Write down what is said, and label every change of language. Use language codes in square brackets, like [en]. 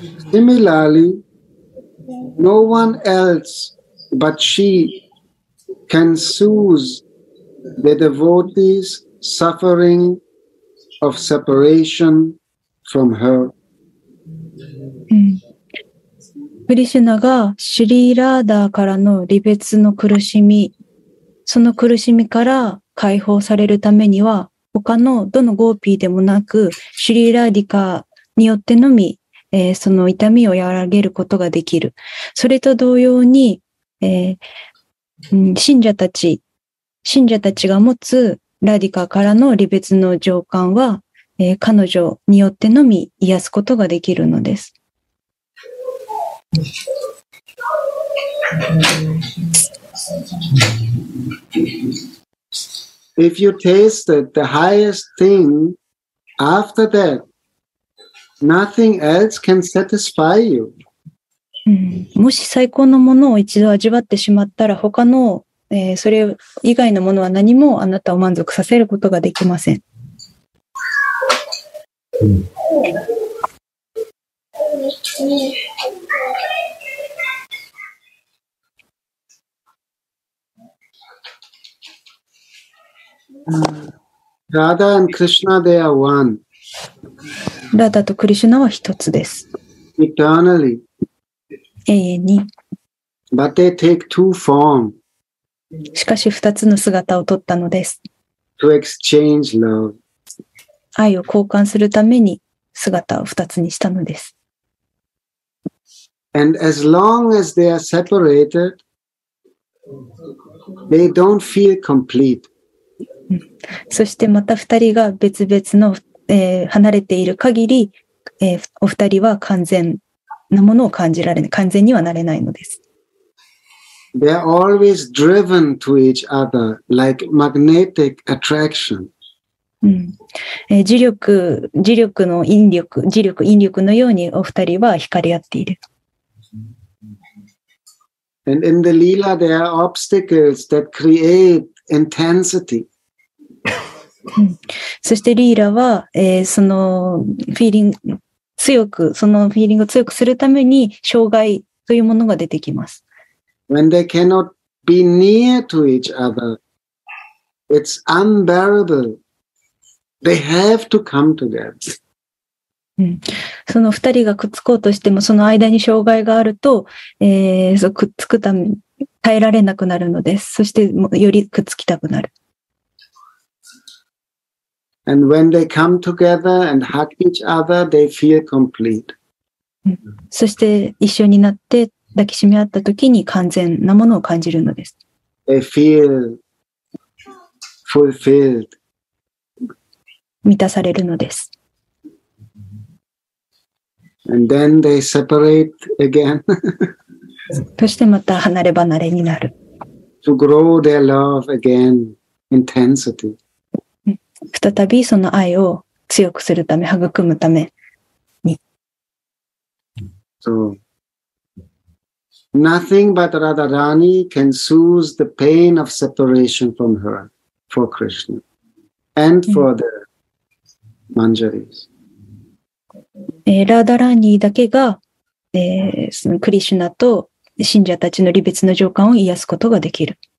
[en] Similarly, no one else but she can soothe the devotee's suffering of separation from her. [ja] クリシュナがシュリーラーダーからの離別の苦しみ、その苦しみから解放されるためには、他のどのゴーピーでもなく、シュリーラーディカによってのみ、その痛みを和らげることができる。それと同様に、信者たちが持つラーディカからの離別の情感は、彼女によってのみ癒すことができるのです。 [en] If you tasted the highest thing, after that, nothing else can satisfy you. [ja] もし最高のものを一度味わってしまったら、他の、それ以外のものは何もあなたを満足させることができません。 [en] Radha and Krishna, they are one. [ja] Radha とクリシュナは一つです。 [en] Eternally. [ja] 永遠に。 [en] But they take two forms. [ja] しかし二つの姿を取ったのです。 [en] To exchange love. [ja] 愛を交換するために姿を二つにしたのです。 [en] And as long as they are separated, they don't feel complete. [ja] そしてまた2人が別々の、離れている限り、お二人は完全なものを感じられない、完全にはなれないのです。 [en] They are always driven to each other like magnetic attraction. [ja] 磁力引力のようにお二人は惹かれ合っている。 [en] And in the Leela, there are obstacles that create intensity. [ja] そしてリーラは、そのフィーリング強くそのフィーリングを強くするために障害というものが出てきます。 [en] When they cannot be near to each other, it's unbearable. They have to come together. [ja] その二人がくっつこうとしてもその間に障害があると、くっつくため耐えられなくなるのです。そしてよりくっつきたくなる。 [en] And when they come together and hug each other, they feel complete. [ja] そして一緒になって抱きしめ合った時に完全なものを感じるのです。 [en] They feel fulfilled. [ja] 満たされるのです。 [en] And then they separate again. [ja] そしてまた離れ離れになる。 [en] To grow their love again, intensity. [ja] 再びその愛を強くするため、育むために。 [en] So, nothing but Radharani can soothe the pain of separation from her for Krishna and for the Manjaris. [ja] Radharani だけが、そのクリシュナと信者たちの離別の情感を癒すことができる。